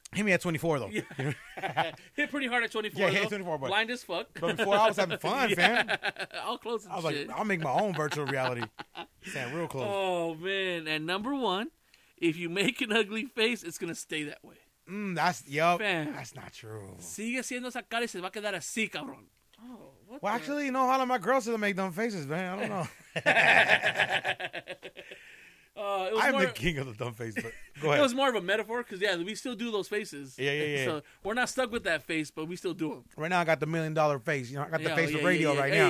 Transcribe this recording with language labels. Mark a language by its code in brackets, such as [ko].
[en] Hit me at 24, though. Yeah. Hit pretty hard at 24, yeah, though. Hit 24, boy. Blind as fuck. But before, I was having fun, yeah, fam. All close to I was shit. Like, I'll make my own virtual reality. Stand real close. Oh, man. And number one, if you make an ugly face, it's going to stay that way. That's not true. [es] Sigue siendo esa cara y se va a quedar así, cabrón. [en] Well, actually, you know, all of my girls still make dumb faces, man. I don't know. I'm the king of the dumb face, but go ahead. It was more of a metaphor because, yeah, we still do those faces. Yeah. So we're not stuck with that face, but we still do them. Right now, I got the $1 million face. You know, I got the face of radio right now.